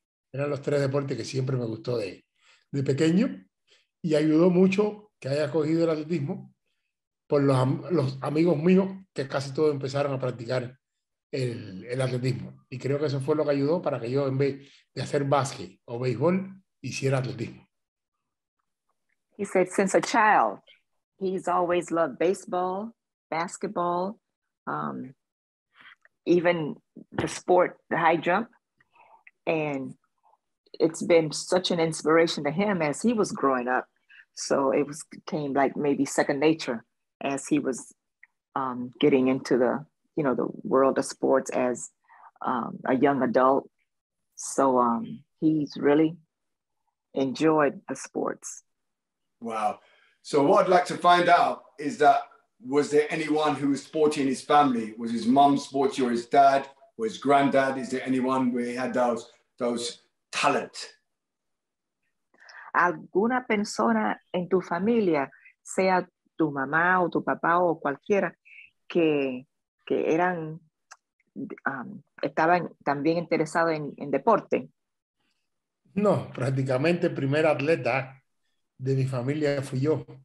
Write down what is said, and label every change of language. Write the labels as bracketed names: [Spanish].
[Spanish] Eran los tres deportes que siempre me gustó de pequeño. Y ayudó mucho que haya cogido el atletismo por los amigos míos que casi todos empezaron a practicar el atletismo. Y creo que eso fue lo que ayudó para que yo, en vez de hacer básquet o béisbol, hiciera atletismo. [English] He said, since a child, he's always loved baseball, basketball, even the sport, the high jump. And it's been such an inspiration to him as he was growing up. So it was came like maybe second nature as he was getting into the, you know, the world of sports as a young adult. So he's really enjoyed the sports. Wow. So what I'd like to find out is that, was there anyone who was sporty in his family? Was his mom sporty, or his dad, or his granddad? Is there anyone where he had those talent? [Spanish] Alguna persona en tu familia, sea tu mamá o tu papá o cualquiera, que eran estaban también interesados en deporte. No, prácticamente el primer atleta de mi familia fui yo.